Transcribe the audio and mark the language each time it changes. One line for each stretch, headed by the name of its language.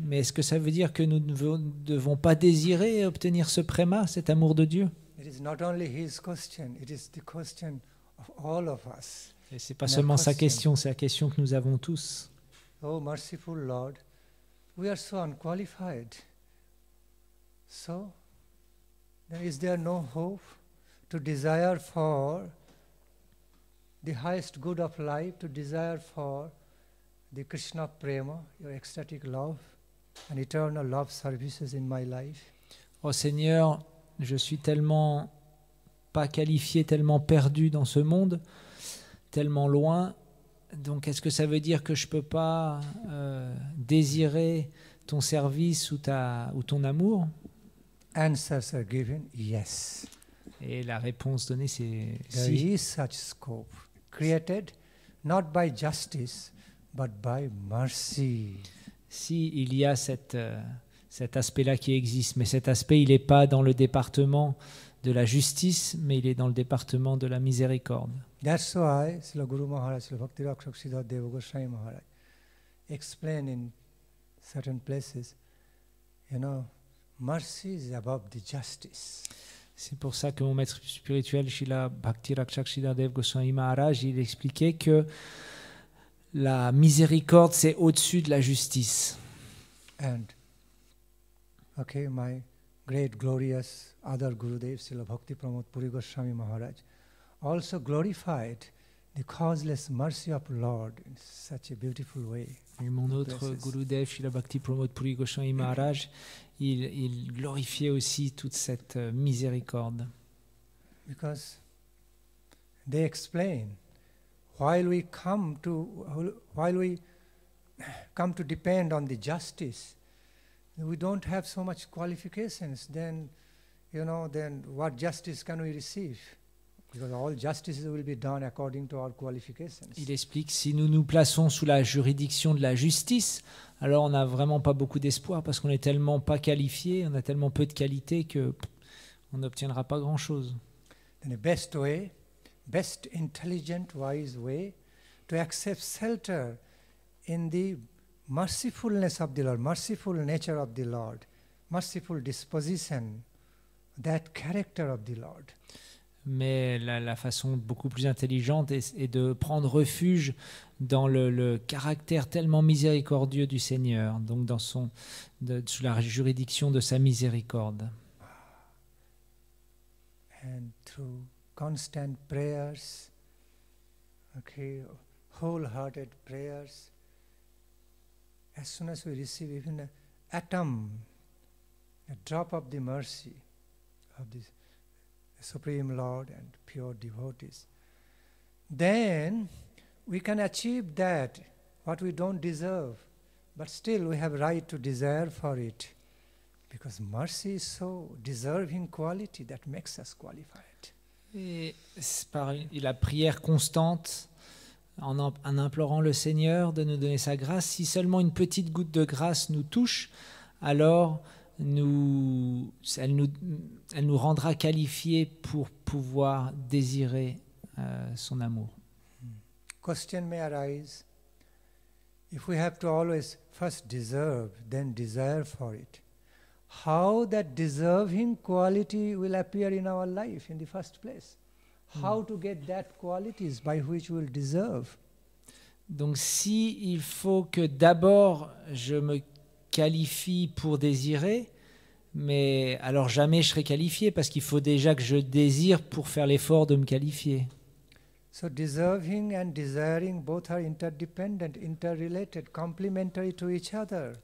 French: Mais est-ce que ça veut dire que nous ne devons pas désirer obtenir ce prema, cet amour de Dieu?
English: It is not only his question, it is the question of all of us.
French: Et c'est pas seulement sa question, c'est la question que nous avons tous.
English: Oh, merciful Lord, we are so unqualified. So, is there no hope to desire for the highest good of life, to desire for the Krishna Prema, your ecstatic love, and eternal love services in my life?
French: Oh Seigneur, je suis tellement pas qualifié, tellement perdu dans ce monde, tellement loin, donc est-ce que ça veut dire que je peux pas désirer ton service ou ton amour?
English: Answers are given, yes.
French: Et la réponse donnée, c'est si.
English: There is such scope created not by justice but by mercy.
French: Si, il y a cet aspect-là qui existe, mais cet aspect, il n'est pas dans le département de la justice, mais il est dans le département de la miséricorde.
English: That's why Srila Guru Maharaj, Srila Bhakti Rakshak Siddhartha Deva Goswami Maharaj explain in certain places, you know, mercy is above the justice.
French: C'est pour ça que mon maître spirituel, Srila Bhakti Rakshak Siddhartha Deva Goswami Maharaj, il expliquait que la miséricorde, c'est au-dessus de la justice.
English: And, okay, my great glorious other Gurudev, Srila Bhakti Pramod Puri Goswami Maharaj, also glorified the causeless mercy of Lord in such a beautiful way.
French: Et mon autre Gurudev, Srila Bhakti Pramod Puri Goswami Maharaj, il glorifiait aussi toute cette miséricorde.
English: Because they explain, while we come to depend on the justice, we don't have so much qualifications, then, you know, then what justice can we receive? Because all justice will be done according to our qualifications.
French: Il explique, si nous nous plaçons sous la juridiction de la justice, alors on n'a vraiment pas beaucoup d'espoir parce qu'on n'est tellement pas qualifié, on a tellement peu de qualité que on n'obtiendra pas grand-chose.
English: Then the best way, best intelligent, wise way, to accept shelter in the mercifulness of the Lord, merciful nature of the Lord, merciful disposition that character of the Lord.
French: Mais la façon beaucoup plus intelligente est de prendre refuge dans le caractère tellement miséricordieux du Seigneur, donc dans sous la juridiction de sa miséricorde.
English: And through constant prayers, okay, wholehearted prayers, as soon as we receive even an atom, a drop of the mercy of this Supreme Lord and pure devotees, then we can achieve that what we don't deserve, but still we have right to desire for it, because mercy is so deserving quality that makes us qualified.
French: Et par la prière constante, en implorant le Seigneur de nous donner sa grâce, si seulement une petite goutte de grâce nous touche, alors elle nous rendra qualifiés pour pouvoir désirer son amour.
English: Question may arise, if we have to always first deserve, then desire for it, how that deserving quality will appear in our life in the first place? How to get that qualities by which we'll deserve?
French: Donc si il faut que d'abord je me qualifie pour désirer, mais alors jamais je serai qualifié, parce qu'il faut déjà que je désire pour faire l'effort de me qualifier.
English: So deserving and desiring both are interdependent, interrelated, complementary to each other.